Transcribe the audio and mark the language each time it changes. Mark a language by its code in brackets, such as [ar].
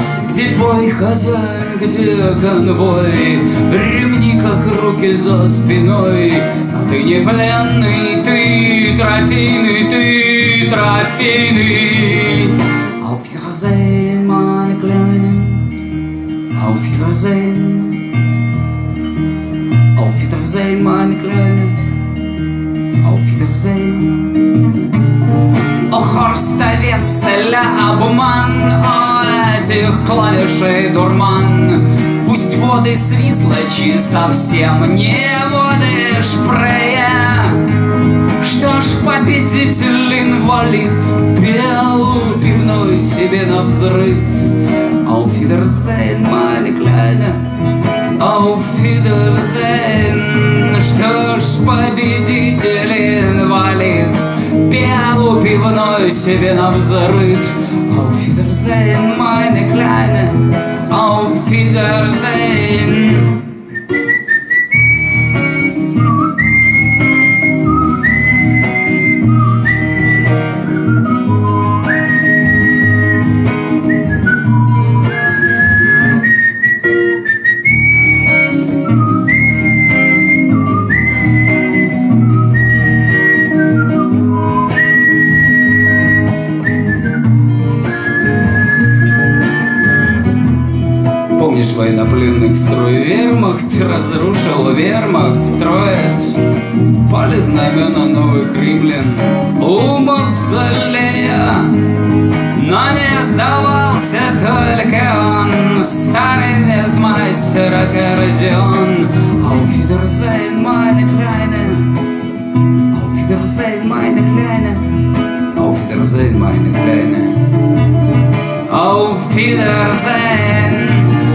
[ru] Где твой хозяин, где конвой? Ремни, как руки за спиной. А ты не пленный, ты трофейный. [de] Auf Wiedersehen, meine Kleine. Auf Wiedersehen. Auf Wiedersehen, meine Kleine. Auf Wiedersehen. [ru] О, Хорст Вессель, обман, о, этих клавишей дурман. Пусть воды Свислочи совсем не воды Шпрее. Что ж, победитель инвалид пел пивной себе навзрыд. [de] auf Wiedersehen, meine Kleine, auf Wiedersehen. [ru] Что ж, победитель инвалид, пиалу пивной себе навзрыд. [de] Auf Wiedersehen, meine Kleine, auf Wiedersehen. [ru] Военнопленных строй вермахт разрушил вермахт, строят пали знамена новых римлян у мавзолея. Но не сдавался только он, старый ведмайстер аккордеон. [de] Auf Wiedersehen, meine Kleine, Auf Wiedersehen, meine Kleine, Auf Wiedersehen, meine Kleine, Auf Wiedersehen.